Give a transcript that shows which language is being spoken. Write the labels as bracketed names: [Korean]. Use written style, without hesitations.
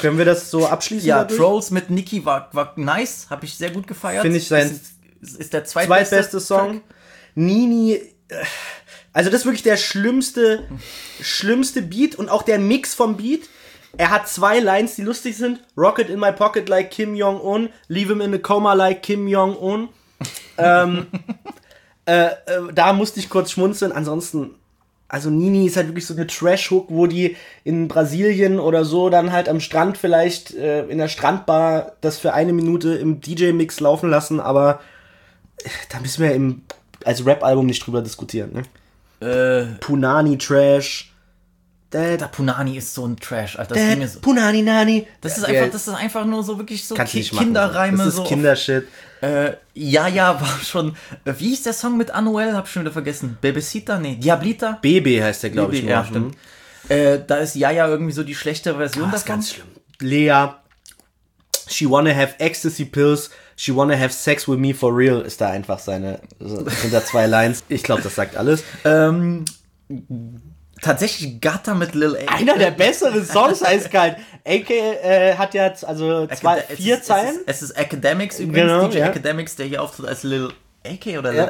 [German] Können wir das so abschließen? Ja, dadurch? Trolls mit Niki war nice, habe ich sehr gut gefeiert. Finde ich sein. Ist der zweitbeste Song. Track. Nini. Also, das ist wirklich der schlimmste Beat und auch der Mix vom Beat. Er hat zwei Lines, die lustig sind. [English] Rocket in my pocket like Kim Jong-un. Leave him in a coma like Kim Jong-un. [German] da musste ich kurz schmunzeln. Ansonsten, also Nini ist halt wirklich so eine Trash-Hook, wo die in Brasilien oder so dann halt am Strand vielleicht in der Strandbar das für eine Minute im DJ-Mix laufen lassen. Aber da müssen wir als Rap-Album nicht drüber diskutieren. Ne? Punani-Trash. Der Punani ist so ein Trash, Alter. Das mir so. Punani Nani. Das ist einfach, das ist einfach nur so wirklich so Kinderreime. Das ist so Kindershit. Ja, war schon. Wie hieß der Song mit Anuel? Hab ich schon wieder vergessen. Bebecita? Nee, Diablita? Bebe heißt der, glaube ich. Ja, stimmt. Da ist Yaya irgendwie so die schlechte Version. Das ist ganz schlimm. [English] Lea, she wanna have ecstasy pills. She wanna have sex with me for real. [German] Ist da einfach seine. Sind da zwei Lines. Ich glaube, das sagt alles. Tatsächlich Gutter mit Lil A. Einer der besseren Songs heißt kalt. AK hat ja also zwei, vier Zeilen. Es ist Academics übrigens, genau, DJ ja. Academics, der hier auftritt als Lil AK oder